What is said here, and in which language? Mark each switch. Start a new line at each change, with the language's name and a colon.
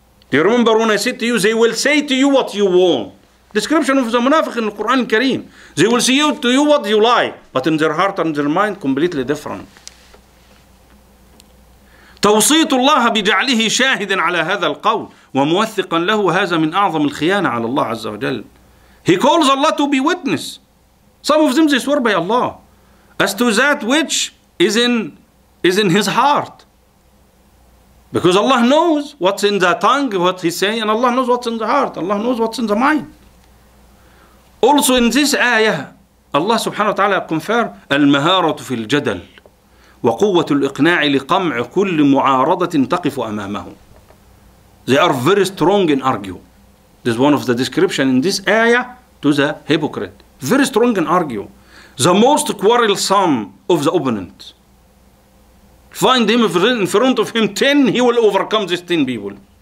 English: Do you remember when I said to you, they will say to you what you want. Description of the munafiq in the Quran Kareem. They will say to you what you like. But in their heart and their mind, completely different.
Arabic: توصيت الله بجعله شاهدا على هذا القول وموثقا له، هذا من أعظم الخيانة على الله عز وجل.
English: He calls Allah to be witness. Some of them they swear by Allah as to that which is in his heart. Because Allah knows what's in the tongue, what he's saying, and Allah knows what's in the heart, Allah knows what's in the mind. Also in this ayah, Allah subhanahu wa ta'ala confer
Arabic: المهارة في الجدل وقوة الإقناع لقمع كل معارضة تقف أمامه.
English: They are very strong in argue. This is one of the description in this ayah to the hypocrite. Very strong in argue. The most quarrelsome of the opponent. Find him in front of him 10, he will overcome these 10 people.